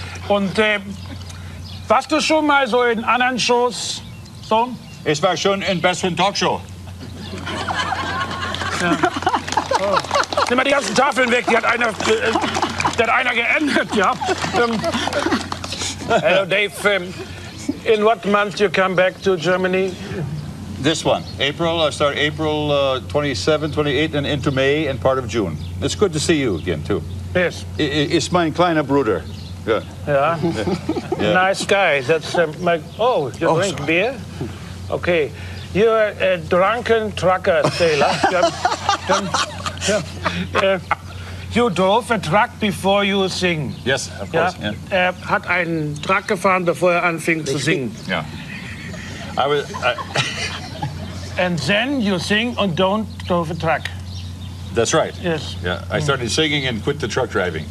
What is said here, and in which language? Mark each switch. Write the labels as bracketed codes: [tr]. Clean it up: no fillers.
[de] Und warst du schon mal so in anderen Shows so? Ich war schon in besseren Talkshow. Ja. Oh. Nimm mal die ganzen Tafeln weg, die hat einer geändert, ja. [en] Hello, Dave. In what month you come back to Germany? This one. April, I start April 27, 28, and into May and part of June. It's good to see you again, too. Yes. It's my [de] kleiner Bruder. [en] Yeah. Nice guy. That's my... Oh, you drink sorry. Beer? Okay. You're a drunken trucker, sailor. You drove a truck before you sing. Yes, of course. Yeah. [de] Er hat einen Truck gefahren, bevor er anfing zu singen. [en] Yeah. And then you sing and don't drive a truck. That's right. Yes. Yeah. I started singing and quit the truck driving.